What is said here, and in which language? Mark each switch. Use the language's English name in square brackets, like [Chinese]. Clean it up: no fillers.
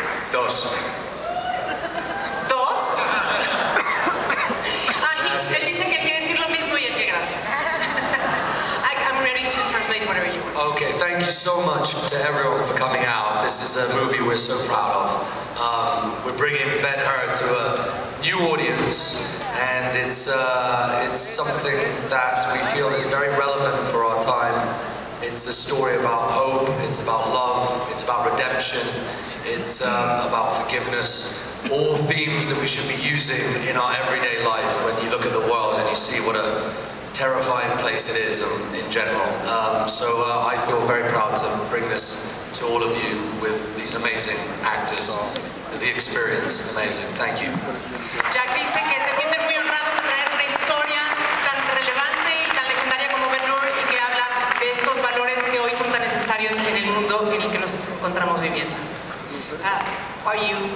[Spanish] Dos. ¿Dos? Él dice que quiere decir lo mismo y él que gracias. [English] I'm ready to translate whatever you want. Okay, thank you so much to everyone for coming out. This is a movie we're so proud of. We're bringing Ben-Hur to a new audience, and it's something that we feel is very relevant for our time. It's a story about hope, it's about love, it's about redemption, it's about forgiveness, all themes that we should be using in our everyday life when you look at the world and you see what a terrifying place it is in general. So I feel very proud to bring this to all of you with these amazing actors. The experience, amazing. Thank you. [Spanish] Jack dice que se siente muy honrado de traer una historia tan relevante y tan legendaria como Ben-Hur y que habla de estos valores que hoy son tan necesarios en el mundo en el que nos encontramos viviendo. [English] Are you?